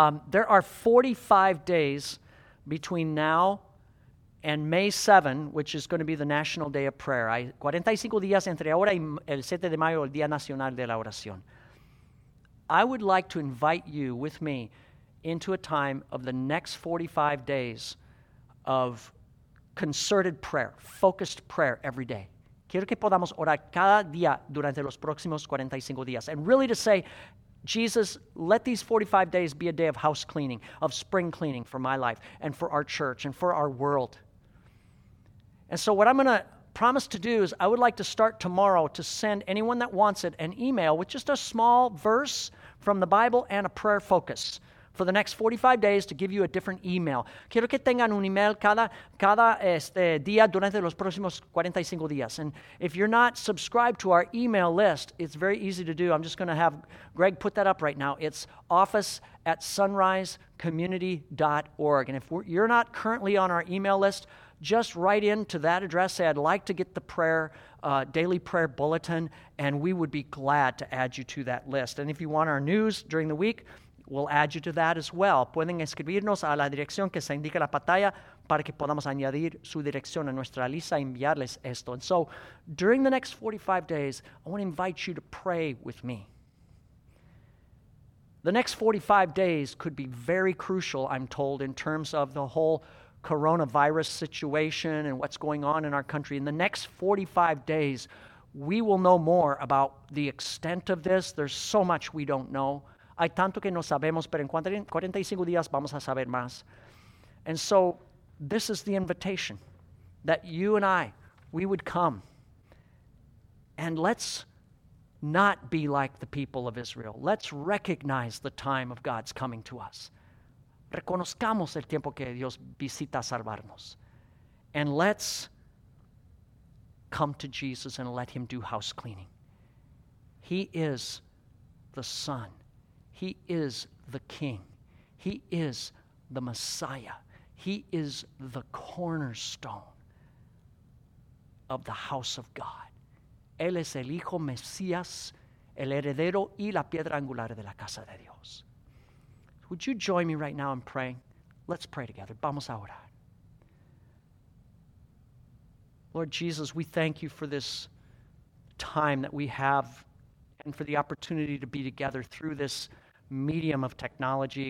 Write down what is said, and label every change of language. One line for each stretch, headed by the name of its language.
English: There are 45 days between now and May 7, which is going to be the National Day of Prayer.
Spanish: Hay 45 días entre ahora y el 7 de mayo, el Día Nacional de la Oración.
English: I would like to invite you with me into a time of the next 45 days of concerted prayer, focused prayer every day.
Spanish: Quiero que podamos orar cada día durante los próximos 45 días.
English: And really to say, Jesus, let these 45 days be a day of house cleaning, of spring cleaning for my life and for our church and for our world. And so what I'm going to promise to do is I would like to start tomorrow to send anyone that wants it an email with just a small verse from the Bible and a prayer focus for the next 45 days to give you a different email.
Spanish: Quiero que tengan un email cada día durante los próximos 45 días.
English: And if you're not subscribed to our email list, it's very easy to do. I'm just going to have Greg put that up right now. It's office@sunrisecommunity.org. And if you're not currently on our email list, just write in to that address. Say, I'd like to get the prayer daily prayer bulletin, and we would be glad to add you to that list. And if you want our news during the week, we'll add you to that as well.
Spanish: Pueden escribirnos a la dirección que se indica en la pantalla para que podamos añadir su dirección a nuestra lista y enviarles esto.
English: And so, during the next 45 days, I want to invite you to pray with me. The next 45 days could be very crucial, I'm told, in terms of the whole coronavirus situation and what's going on in our country. In the next 45 days, we will know more about the extent of this. There's so much we don't know.
Spanish: Hay tanto que no sabemos, pero en 45 días vamos a saber más.
English: And so, this is the invitation that you and I, we would come. And let's not be like the people of Israel. Let's recognize the time of God's coming to us.
Spanish: Reconozcamos el tiempo que Dios visita salvarnos.
English: And let's come to Jesus and let him do house cleaning. He is the Son. He is the King. He is the Messiah. He is the cornerstone of the house of God.
Spanish: Él es el Hijo Mesías, el heredero y la piedra angular de la casa de Dios.
English: Would you join me right now in praying? Let's pray together.
Spanish: Vamos a orar.
English: Lord Jesus, we thank you for this time that we have and for the opportunity to be together through this medium of technology.